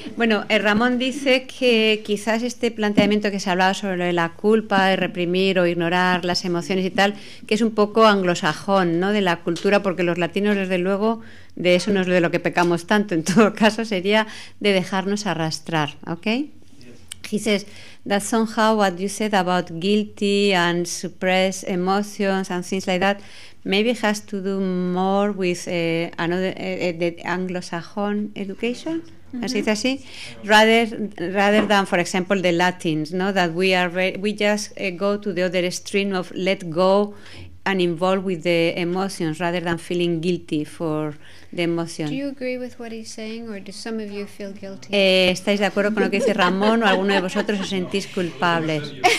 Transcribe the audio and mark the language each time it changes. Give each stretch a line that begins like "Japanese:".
Spanish: Bueno, Ramón dice que quizás este planteamiento que se ha hablado sobre lo de la culpa, de reprimir o ignorar las emociones y tal, que es un poco anglosajón, ¿no?, de la cultura, porque los latinos, desde luego, de eso no es de lo que pecamos tanto. En todo caso, sería de dejarnos arrastrar, ¿okay?
English: He says that somehow what you said about guilty and suppressed emotions and things like that maybe has to do more with the Anglo-Saxon education, as it is, rather than, for example, the Latins, no? That we just go to the other extreme of let go and involve with the emotions rather than feeling guilty for the emotion. Do you agree with what he's saying, or do some of you feel guilty?
Spanish: ¿Estáis de acuerdo con lo que dice Ramón, o alguno de vosotros os sentís culpables?